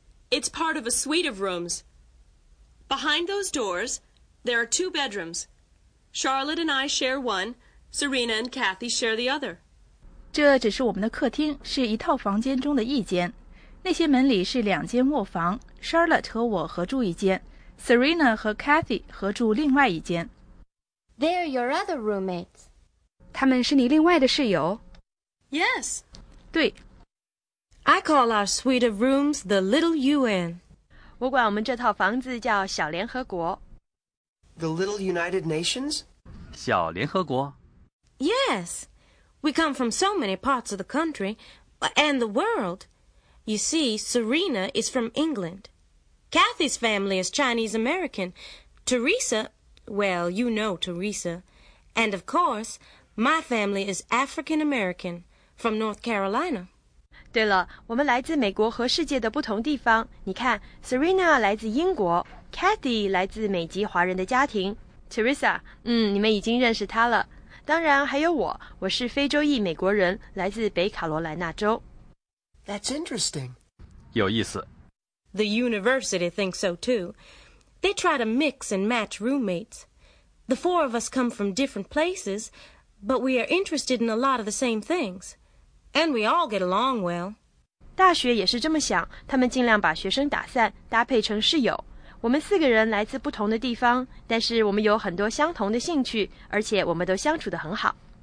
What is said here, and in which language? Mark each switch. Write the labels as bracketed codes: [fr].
[en] It's part of a suite of rooms. Behind those doors, there are two bedrooms. Charlotte and I share one. Serena and Kathy share the other. [zh] 这只是我们的客厅，是一套房间中的一间。那些门里是两间卧房， Charlotte 和我合住一间， Serena 和 Kathy 合住另外一间。 [en] They're your other roommates. [zh] 他们是你另外的室友？ [en] Yes. [zh] 对。 [en] I call our suite of rooms the Little UN. [zh] 我管我们这套房子叫小联合国。 [en] The Little United Nations? [zh] 小联合国？ [en] Yes. We come from so many parts of the country and the world. You see, Serena is from England. Kathy's family is Chinese-American. Teresa, well, you know Teresa. And of course, my family is African-American, from North Carolina. [zh] 对了，我们来自美国和世界的不同地方。你看 ,Serena 来自英国 ,Kathy 来自美籍华人的家庭。 Teresa, 你们已经认识她了。当然还有我，我是非洲裔美国人，来自北卡罗来纳州。 [en] That's interesting. [zh] 有意思。 [en] The university thinks so, too. They try to mix and match roommates. The four of us come from different places, but we are interested in a lot of the same things. And we all get along well. [zh] 大学也是这么想，他们尽量把学生打散，搭配成室友。我们四个人来自不同的地方，但是我们有很多相同的兴趣，而且我们都相处得很好。